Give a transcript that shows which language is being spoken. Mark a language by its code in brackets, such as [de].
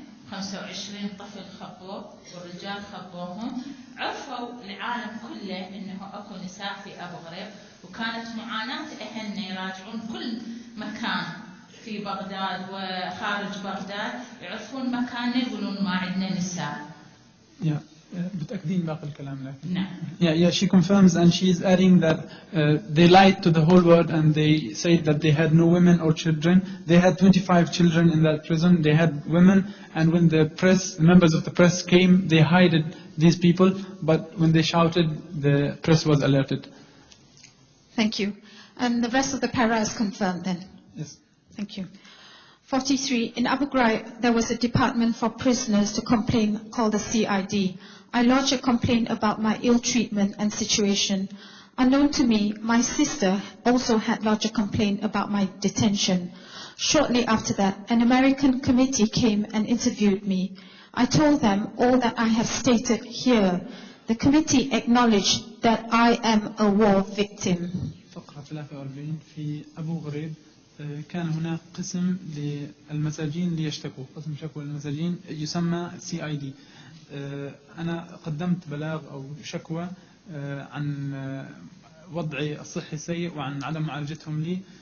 [ar] 25 طفل خبوه والرجال خبوهم عرفوا العالم كله انه اكو نساء في ابو غريب وكانت معاناه اهلنا يراجعون كل مكان في بغداد وخارج بغداد يعرفون مكاننا يقولون ما عندنا نساء. يا متاكدين باقي الكلام لكن نعم. [en] يا she confirms and she is adding that they lied to the whole world and they said that they had no women or children. They had 25 children in that prison. They had women. And when the press, the members of the press came, they hided these people. But when they shouted, the press was alerted. Thank you. And the rest of the para is confirmed then? Yes. Thank you. 43. In Abu Ghraib, there was a department for prisoners to complain called the CID. I lodged a complaint about my ill treatment and situation. Unknown to me, my sister also had lodged a complaint about my detention. Shortly after that, an American committee came and interviewed me. I told them all that I have stated here. The committee acknowledged that I am a war victim. [ar] فقرة 43 في أبو غريب كان هناك قسم للمساجين ليشتكوا قسم شكوى المساجين يسمى CID. أنا قدمت بلاغ أو شكوى عن وضعي الصحي السيء وعن عدم معالجتهم لي.